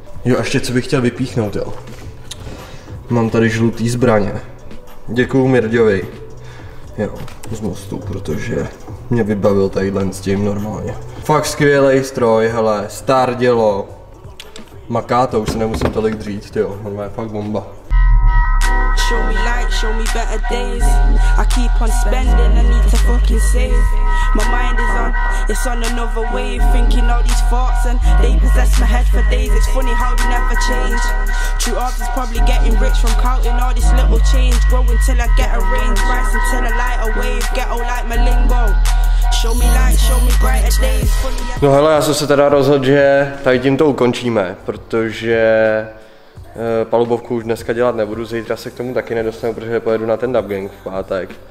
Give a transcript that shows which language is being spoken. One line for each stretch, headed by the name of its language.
Czech: Jo, ještě co bych chtěl vypíchnout, jo. Mám tady žlutý zbraně. Děkuju Mirďovi. Jo, z Mostu, protože mě vybavil tadyhle s tím normálně. Fakt skvělej stroj, hele, star dělo. Maká to, už se nemusím tolik dřít, tyjo, normálně fakt bomba.
English: Show me light, show me better days. I keep on spending, I need to fucking save. My mind is on, it's on another wave. Thinking all these thoughts and they possess my head for days. It's funny how we never change. True art is probably getting rich from counting all this little change. Grow until I get a range, rise until I light a wave. Ghetto like my lingo. Show me light, show me brighter days.
Czech: No hele, já jsem se teda rozhodl, že tady tím to ukončíme, protože palubovku už dneska dělat nebudu, zítra se k tomu taky nedostanu, protože pojedu na ten Dub Gang v pátek.